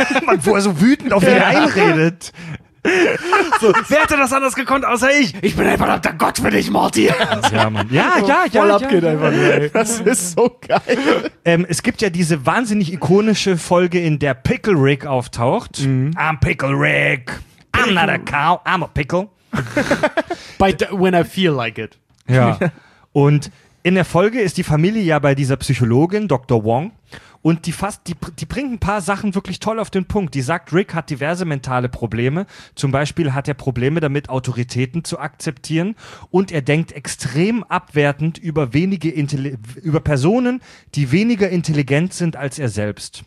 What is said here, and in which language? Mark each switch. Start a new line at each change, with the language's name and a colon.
German: Mann, wo er so wütend auf ihn einredet. So. Wer hätte das anders gekonnt, außer ich? Ich bin ein verdammter Gott für dich, Morty. Ja, Mann. Ja. Voll abgeht einfach nur, ey. Das ist so geil. Es gibt ja diese wahnsinnig ikonische Folge, in der Pickle Rick auftaucht.
English: Mhm. I'm Pickle Rick. I'm not a cow. I'm a pickle. But when I feel like it.
German: Ja. Und In der Folge ist die Familie ja bei dieser Psychologin, Dr. Wong, und die bringt ein paar Sachen wirklich toll auf den Punkt. Die sagt, Rick hat diverse mentale Probleme, zum Beispiel hat er Probleme damit, Autoritäten zu akzeptieren, und er denkt extrem abwertend über Personen, die weniger intelligent sind als er selbst.